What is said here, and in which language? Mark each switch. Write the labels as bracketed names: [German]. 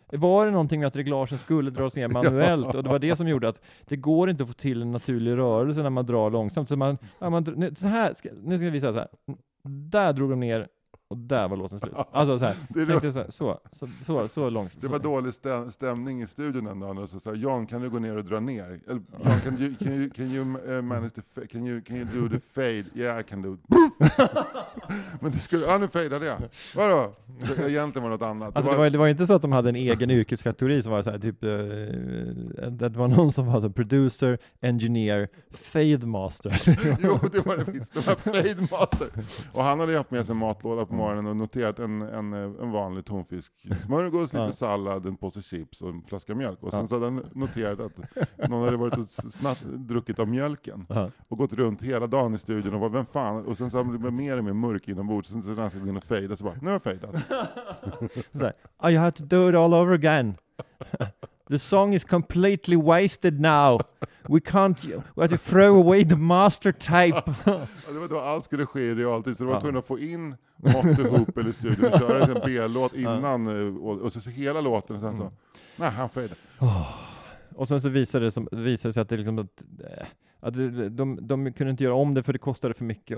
[Swedish] Var det någonting med att reglagen skulle dras ner manuellt, och det var det som gjorde att det går inte att få till en naturlig rörelse när man drar långsamt. Så här, nu ska jag visa så här. Där drog de ner Och där var låten slut. Alltså så här, tänkte jag så långsamt. Det var dålig stämning i studion ändå. Och så sa Jan, kan du gå ner och dra ner? [English] Eller, Jan, can you manage to can you do the fade? Yeah, I can do. [Swedish] Men det skulle, ja, nu fadade jag. Vadå? Det egentligen var något annat. Alltså, det var inte så att de hade en egen yrkeskategori som var så här, typ det var någon som var så producer, engineer, fade master. Jo, det var det visst. Det var fade master. Och han hade haft med sig matlåda på morgonen och noterat en vanlig tonfisk smörgås, lite sallad, en påse chips och en flaska mjölk. Och sen så hade han noterat att någon hade varit snabbt druckit av mjölken och gått runt hela dagen i studion och var vem fan. Och sen så hade han mer och mer mörk inom bordet, sen så hade han skulle gå in och fejda, så bara, nu har jag fejdat. Så här, [English] oh, you have to do it all over again. The song is completely wasted now. We have to throw away the master tape. [Swedish] Ja, det var då allt skulle ske i realtid. Så det var tvungen att få in Mottehop eller studion och köra en B-låt innan. Och så hela låten och sen så. Nej, han fejde. Och sen så visade det sig att det liksom att de kunde inte göra om det för det kostade för mycket.